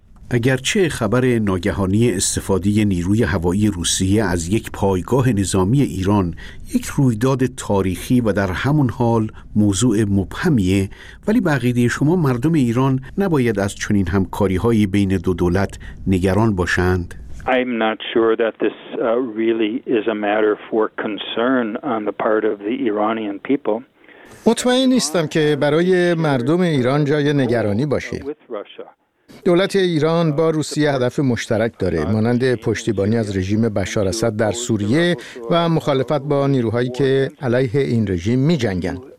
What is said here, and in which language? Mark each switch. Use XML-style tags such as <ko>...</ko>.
<fa>اگرچه خبر ناگهانی استفاده نیروی هوایی روسیه از یک پایگاه نظامی ایران یک رویداد تاریخی و در همون حال موضوع مبهمیه، ولی بعقیده شما مردم ایران نباید از چنین همکاری‌های بین دو دولت نگران باشند؟</fa> <en>I'm not sure that this really is a matter for concern on the part of the Iranian people.</en> <fa>مطمئن نیستم که برای مردم ایران جای نگرانی باشه. دولت ایران با روسیه هدف مشترک داره، مانند پشتیبانی از رژیم بشار اسد در سوریه و مخالفت با نیروهایی که علیه این رژیم می‌جنگند.</fa>